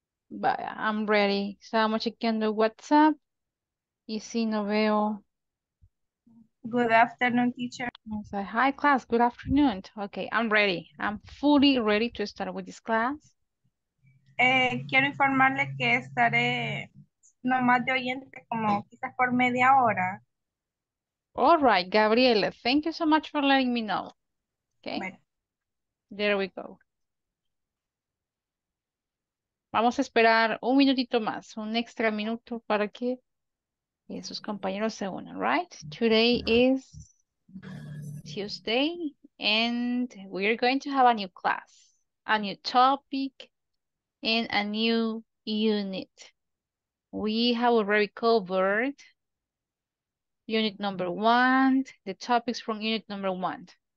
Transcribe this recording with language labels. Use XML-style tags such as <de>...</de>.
<en>But I'm ready.</en> <es>Estamos chequeando WhatsApp. Y si no veo.</es> <en>Good afternoon, teacher. Say, hi, class. Good afternoon. Okay, I'm ready. I'm fully ready to start with this class.</en> <es>Quiero informarle que estaré nomás de oyente como quizás por media hora.</es> <en>All right, Gabriela, thank you so much for letting me know. Okay. There we go.</en> <es>Vamos a esperar un minutito más, un extra minuto para que sus compañeros se unan,</es> <en>right? Today is Tuesday and we are going to have a new class, a new topic, and a new unit. We have already covered unit number one, the topics from unit number one.</en>